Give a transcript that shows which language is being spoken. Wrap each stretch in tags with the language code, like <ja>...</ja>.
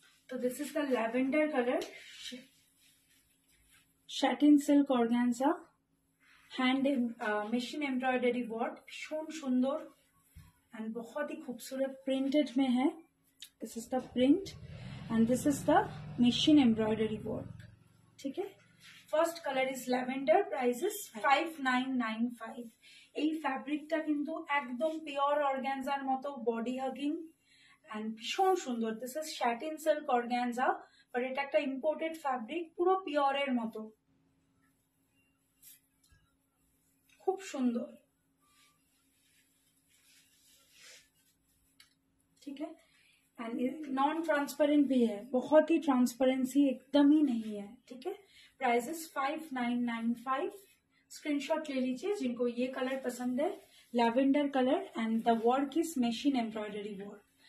<hi>तो this is the lavender colour शैटिन silk organza hand machine embroidery work, भीषण सुंदर and बहुत ही खूबसूरत प्रिंटेड में है।</hi> <en>this is the print and this is the machine embroidery work,</en> <hi>ठीक है।</hi> <en>First colour is lavender, price is 5995।</en> <bn>এই ফ্যাব্রিকটা কিন্তু একদম পিওর অর্গ্যানজার মতো বডি হাগিং এন্ড ভীষণ সুন্দর। This is শ্যাটিন silk organza, but এটা একটা ইম্পোর্টেড ফ্যাব্রিক, পুরো পিওর এর মতো, খুব সুন্দর, ঠিক আছে।</bn> <hi>এন্ড নন ট্রান্সপারেন্ট ভি হ্যায়, বহুত হি ট্রান্সপারেন্সি</hi> <bn>একদমই নেই</bn> <hi>হ্যায়,</hi> <bn>ঠিক আছে।</bn> <en>Price is 5995।</en> <hi>स्क्रीनशॉट ले लीजिए जिनको ये कलर पसंद है, lavender colour</hi> <en>And the work is machine embroidery work.</en>